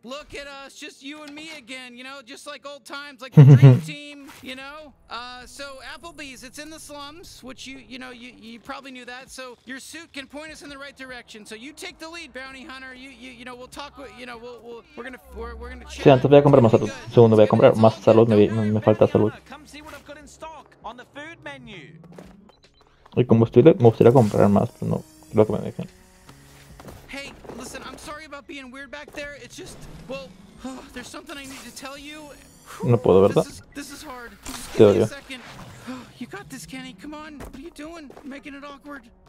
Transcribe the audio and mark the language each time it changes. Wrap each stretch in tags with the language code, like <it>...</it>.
<en>Look at us, just you and me again, you know, just like old times, like the dream team, you know? So Applebee's, it's in the slums, which you probably knew that. So your suit can point us in the right direction. So you take the lead, Bounty Hunter. You know, we'll talk with, you know, we're going to</en> <es>chat. Sí, antes voy a comprar más salud. Segundo, voy a comprar más salud, me falta salud.</es> <en>Come see what I've got in stock on the food menu.</en> <es>Y combustible, me gustaría comprar más, pero no creo que me dejen.</es> <en>Hey, listen, I'm sorry about being weird back there. It's just, well, there's something I need to tell you.</en> <es>No puedo, ¿verdad?</es> <en>This is hard. Just give me a second. You got this, Kenny. Come on. What are you doing? Making it awkward.</en>